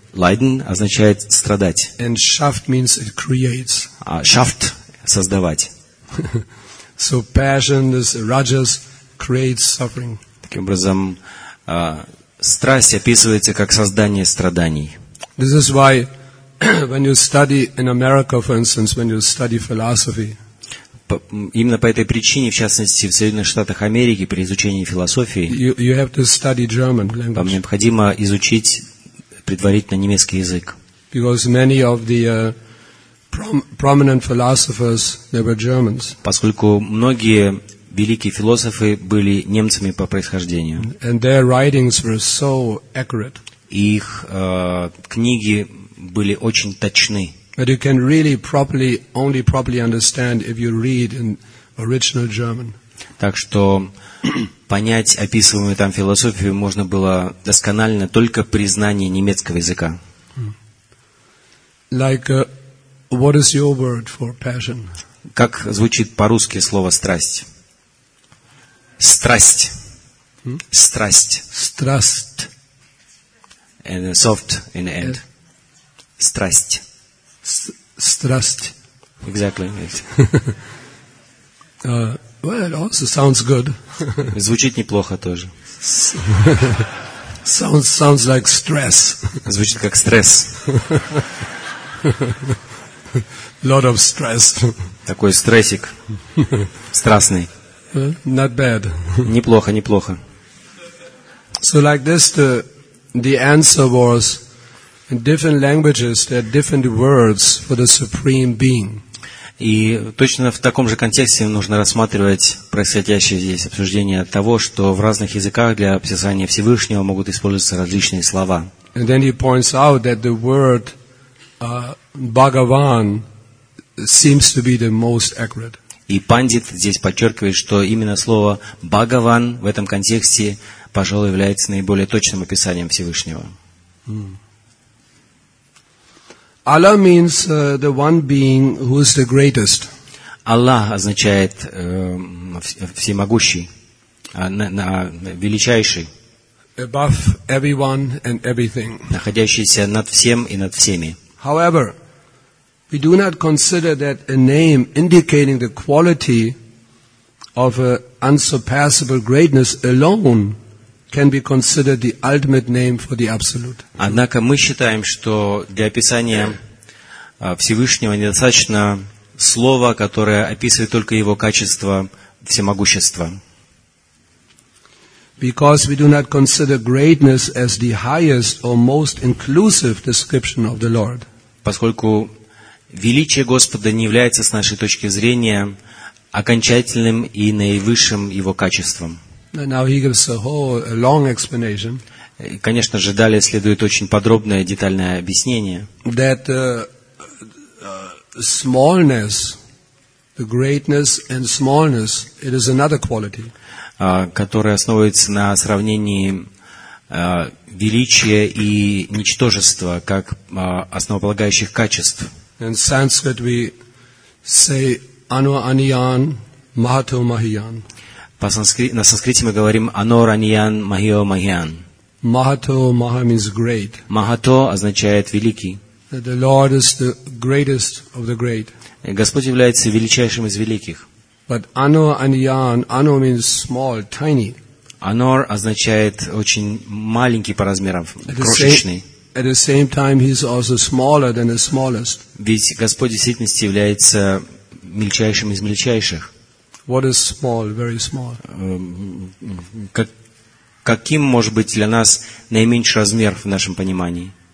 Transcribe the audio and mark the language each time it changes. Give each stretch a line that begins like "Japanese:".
Russian: Leiden означает страдать.
English: And Schaft means it creates.
Russian: А Schaft создавать.
English: So passion is rajas creates suffering.
Russian: Таким образом, страсть описывается как создание страданий.
English: This is why when you study in America, for instance, when you study philosophy.
Russian: Именно по этой причине, в частности, в Соединенных Штатах Америки, при изучении философии,
English: you have to study German language.
Russian: Вам необходимо изучить предварительно немецкий язык.
English: Because many of the prominent philosophers, they were Germans.
Russian: Поскольку многие великие философы были немцами по происхождению.
English: And their writings were so accurate.
Russian: Их книги были очень точны.
English: But you can really properly, only properly understand if you read in original German.
Russian: Так что понять описываемую там философию можно было досконально только при знании немецкого языка.
English: Like, what is your word for passion?
Russian: Как звучит по-русски слово страсть? Страсть. Страсть.
English: and soft in the end.
Russian: Страсть.
English: Exactly. Yes. Well, it also sounds good.
Russian: Звучит неплохо тоже.
English: Sounds like stress.
Russian: Звучит как стресс.
English: Lot of stress.
Russian: Такой стрессик. Страстный.
English: Not bad.
Russian: Неплохо, неплохо.
English: So like this, the answer was in different languages, there are different words for the Supreme Being.
Russian: И точно в таком же контексте нужно рассматривать происходящее здесь обсуждение того, что в разных языках для описания Всевышнего могут использоваться различные слова.
English: And then he points out that the word Bhagavan seems to be the most accurate.
Russian: И пандит здесь подчеркивает, что именно слово Бхагаван в этом контексте, пожалуй, является наиболее точным описанием Всевышнего.
English: Allah means the one being who is the greatest.
Russian: Аллах означает всемогущий, величайший.
English: Above everyone and everything.
Russian: Находящийся над всем и над всеми.
English: However, we do not consider that a name indicating the quality of an unsurpassable greatness alone can be considered the ultimate name for the absolute.
Russian: Однако мы считаем, что для описания Всевышнего недостаточно слова, которое описывает только его качество всемогущества.
English: Because we do not consider greatness as the highest or most inclusive description of the Lord.
Russian: Поскольку величие Господа не является с нашей точки зрения окончательным и наивысшим его качеством.
English: Now he gives a whole a long explanation.
Russian: И, конечно же, далее следует очень подробное детальное объяснение.
English: That smallness, the greatness and smallness, it is another quality.
Russian: Которая основывается на сравнении величия и ничтожества как основополагающих качеств.
English: In Sanskrit we say
Sanskrit: ano aniyan mahato mahiyan.
Russian: На санскрите мы говорим
Sanskrit: ано раниян махио махиян.
English: Mahato maha means great.
Russian: Mahato означает великий.
English: The Lord is the greatest of the great.
Russian: Господь является величайшим из великих.
English: But ano aniyan, ano means small, tiny.
Russian: Anor означает очень маленький по размерам, крошечный.
English: At the same time, he is also smaller than the smallest.
Russian: Ведь Господь в действительности является мельчайшим из мельчайших.
English: What is small, very small?
Russian: Каким может быть для нас наименьший размер в нашем понимании?